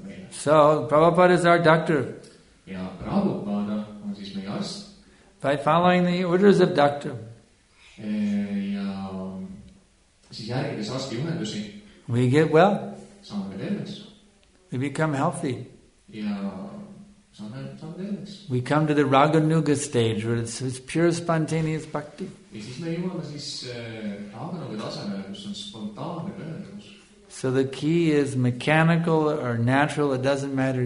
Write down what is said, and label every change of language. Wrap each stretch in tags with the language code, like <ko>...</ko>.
<en>So, Prabhupada is our doctor.</en> <et>Ja Prabhupada on siis meie arst.</et> <en>By following the orders of doctor.</en> <et>Ja siis järgides arsti juhendusi.</et> <en>We get well.</en> <et>Saame terveks.</et> <en>We become healthy.</en> <et>Ja saame terveks.</et> <en>We come to the Raganuga stage where it's pure spontaneous bhakti.</en> <et>Ja siis me jõuame siis Raganuga tasemele, kus on spontaane pühendus.</et> <en>So the key is mechanical or natural, it doesn't matter.</en>